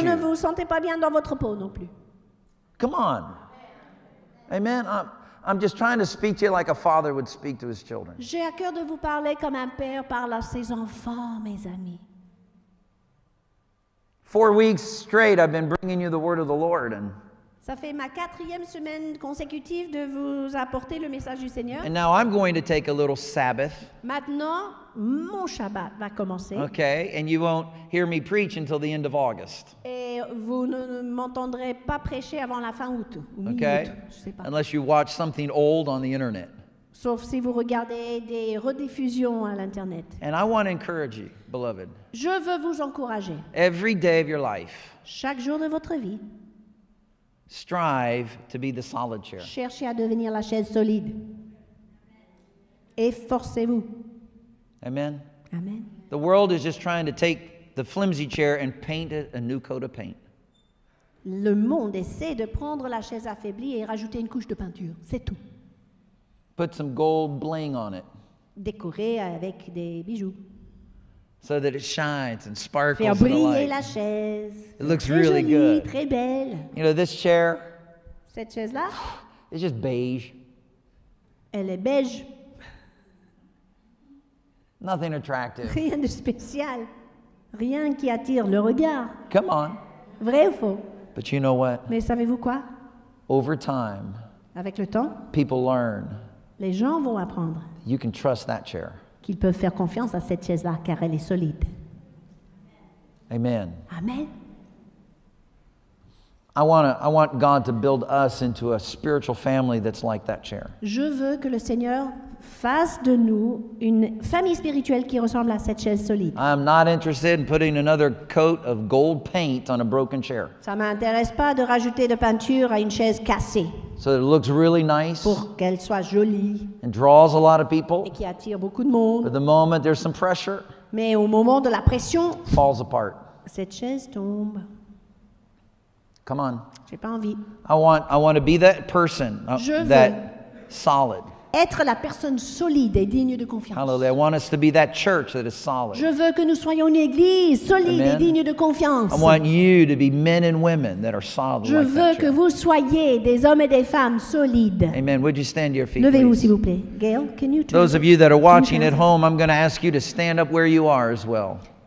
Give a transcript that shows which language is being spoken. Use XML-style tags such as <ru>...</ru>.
<fr>Et vous ne vous sentez pas bien dans votre peau non plus.</fr> <en>Come on. Amen. I'm just trying to speak to you like a father would speak to his children.</en> <fr>J'ai à cœur de vous parler comme un père parle à ses enfants, mes amis.</fr> <en>4 weeks straight, I've been bringing you the word of the Lord. And</en> <fr>Ça fait ma quatrième semaine consécutive de vous apporter le message du Seigneur.</fr> <en>And now I'm going to take a little Sabbath.</en> <fr>Maintenant, mon Shabbat va commencer.</fr> <en>Okay, and you won't hear me preach until the end of August.</en> <fr>Et vous ne m'entendrez pas prêcher avant la fin août.</fr> <en>Okay, unless you watch something old on the internet.</en> <fr>Sauf si vous regardez des rediffusions à l'internet.</fr> <en>And I want to encourage you, beloved.</en> <fr>Je veux vous encourager.</fr> <en>Every day of your life.</en> <fr>Chaque jour de votre vie.</fr> <en>Strive to be the solid chair.</en> <fr>Cherchez à devenir la chaise solide. Efforcez-vous. Amen. Amen.</fr> <en>The world is just trying to take the flimsy chair and paint it a new coat of paint.</en> <fr>Le monde essaie de prendre la chaise affaiblie et rajouter une couche de peinture. C'est tout.</fr> <en>Put some gold bling on it.</en> <fr>Décorer avec des bijoux.</fr> <en>So that it shines and sparkles.</en> <fr>Faire briller la chaise.</fr> <en>It looks</en> <fr>très</fr> <en>really</en> <fr>jolie,</fr> <en>good.</en> <fr>Très belle.</fr> <en>You know, this chair.</en> <fr>Cette chaise là.</fr> <en>It's just beige.</en> <fr>Elle est beige.</fr> <en>Nothing attractive.</en> <fr>Rien de spécial. Rien qui attire le regard.</fr> <en>Come on.</en> <fr>Vrai ou faux?</fr> <en>But you know what?</en> <fr>Mais savez-vous quoi?</fr> <en>Over time.</en> <fr>Avec le temps.</fr> <en>People learn.</en> <fr>Les gens vont apprendre.</fr> <en>You can trust that chair.</en> <fr>Qu'ils peuvent faire confiance à cette chaise-là car elle est solide. Amen. Amen.</fr> <en>I want God to build us into a spiritual family that's like that chair.</en> <fr>Je veux que le Seigneur fasse de nous une famille spirituelle qui ressemble à cette chaise solide.</fr> <en>I'm not interested in putting another coat of gold paint on a broken chair.</en> <fr>Ça m'intéresse pas de rajouter de peinture à une chaise cassée.</fr> <en>So it looks really nice.</en> <fr>Pour qu'elle soit jolie.</fr> <en>And draws a lot of people.</en> <fr>Et qui attire beaucoup de monde.</fr> <en>But the moment there's some pressure.</en> <fr>Mais au moment de la pression.</fr> <en>Falls apart.</en> <fr>Cette chaise tombe.</fr> <en>Come on.</en> <fr>J'ai pas envie.</fr> <en>I want to be that person.</en> <fr>Je</fr> <en>that</en> <fr>veux</fr> <en>solid.</en> <fr>Être la personne solide et digne de confiance.</fr> <en>Hallelujah. I want us to be that church that is solid.</en> <fr>Je veux que nous soyons une église solide. Amen. Et digne de confiance.</fr> <en>I want you to be men and women that are solid.</en> <fr>Je</fr> <en>like</en> <fr>veux que vous soyez des hommes et des femmes solides.</fr> <en>Amen. Would you stand to your feet?</en> <fr>Levez-vous</fr> <en>please?</en> <fr>S'il vous plaît.</fr> <en>Gail, can you turn? Those of you that are watching at home, I'm going to ask you to stand up where you are as well.</en>